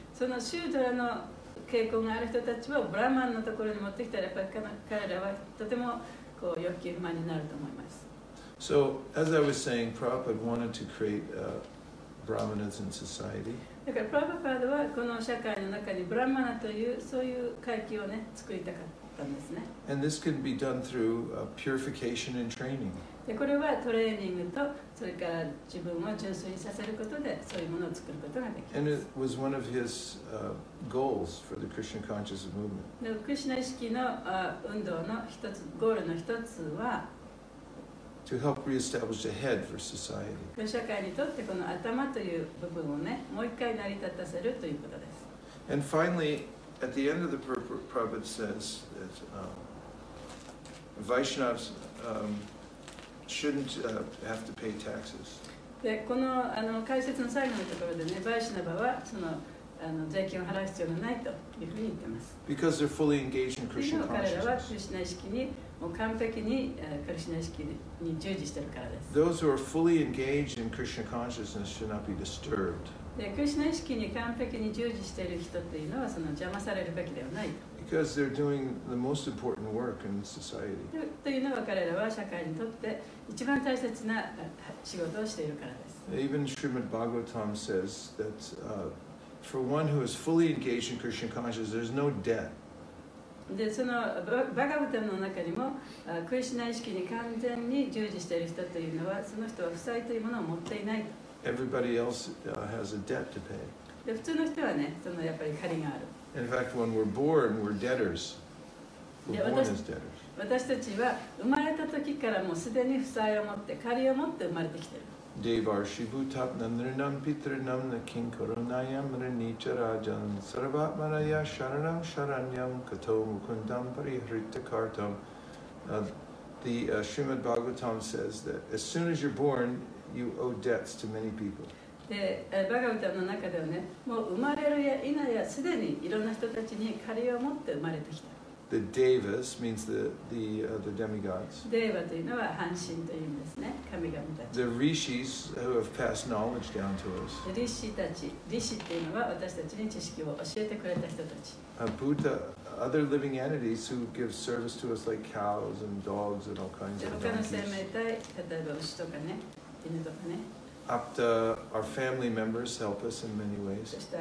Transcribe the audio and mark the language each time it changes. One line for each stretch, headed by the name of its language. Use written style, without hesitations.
Japanese: そのシュードラの傾向がある人たちをブラマンのところに持ってきたらやっぱり彼らはとてもこう欲求不満になると思います。
English: So, as I was saying, Prabhupada wanted to create Brahmanas in society.
Japanese: だから、プラバパードはこの社会の中にブラマナというそういう階級をね、作りたかったんですね。
English: And this can be done through purification and training.
Japanese: で、これはトレーニングと、それから自分を純粋にさせることで、そういうものを作ることができます。
English: And it was one of his goals for the Krishna Conscious Movement.
Japanese: で、クリシナ意識の運動の一つ、ゴールの一つは、
English: To help reestablish a head for society.
Japanese: 社会にとってこの頭という部分をね、もう一回成り立たせるということです。
English: And finally, at the end of the Prabhupada says that Vaishnavas shouldn't have to pay taxes.
Japanese: で、この、あの、解説の最後のところでね、バイシナバはその、あの、税金を払う必要がないというふうに言ってます。
English: Because they're fully engaged in Krishna consciousness.
Japanese: 彼らはクリシナ意識に、もう完璧に、クリシナ意識に従事してるからです。
English: Those who are fully engaged in Krishna consciousness should not be disturbed.
Japanese: で、クリシナ意識に完璧に従事している人というのは、その邪魔されるべきではないと。
English: Because they're doing the most important work in society.
Japanese: というのは彼らは社会にとって一番大切な仕事をしているからです。
English: Even Srimad Bhagavatam says that for one who is fully engaged in Krishna consciousness, there's no debt.
Japanese: で、そのバガヴァタムの中にも、クリシナ意識に完全に従事している人というのは、その人は負債というものを持っていない。
English: Everybody else has a debt to pay.
Japanese: で、普通の人はね、そのやっぱり借りがある。
English: In fact, when we're born, we're debtors. We're born as debtors.
Japanese: 私たちは生まれた時からもうすでに負債を持って、借りを持って生まれてきてる。
Sanskrit: Devar Shibhutap Nandrinam Pitrinam Nakin Koronayam Rinicharajan Sarvatmaraya Sharanam Sharanyam Kato Mukundam Parihritakartam.
English: The Srimad Bhagavatam says that as soon as you're born, you owe debts to many people.
Japanese: でバガヴァタムの中ではね、もう生まれるや否やすでにいろんな人たちに借りを持って生まれてきた。
English: The Devas means the demigods.
Japanese: Deva というのは半身というんですね、神々たち。
English: The Rishis who have passed knowledge down to us.
Japanese: リシたち、リシというのは私たちに知識を教えてくれた人たち。
English: Buddha, other living entities who give service to us like cows and dogs and all kinds of donkeys.
Japanese: 他の生命体、例えば牛とかね、犬とかね。
English: Apta, our family members help us in many ways.